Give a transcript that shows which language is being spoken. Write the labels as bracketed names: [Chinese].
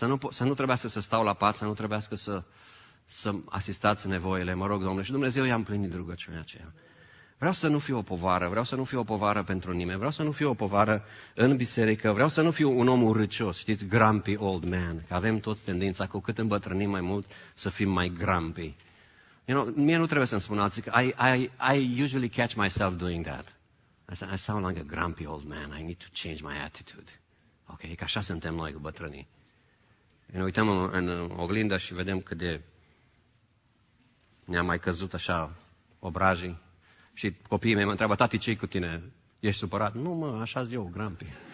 [Romanian] Să nu trebuiască să stau la pat, să nu trebuiască să asistați nevoile, mă rog Domnule. Și Dumnezeu i-a împlinit rugăciunea aceea. Vreau să nu fiu o povară, vreau să nu fiu o povară pentru nimeni, vreau să nu fiu o povară în biserică, vreau să nu fiu un om urâcios, știți, [English] grumpy old man, [Romanian] că avem toți tendința, cu cât îmbătrânim mai mult, să fim mai grumpy. [English] You know, [Romanian] mie nu trebuie să-mi spun alții, că [English] I usually catch myself doing that. I sound like a grumpy old man, I need to change my attitude. [Romanian] Ok, e că așa suntem noi cu bătrânii. [English] You know, [Romanian] uităm în oglindă și vedem cât de ne-am mai căzut așa obrajii. Și copiii mei mă întreabă, tati, ce-i cu tine? Ești supărat? Nu, mă, așa zi eu, grumpy.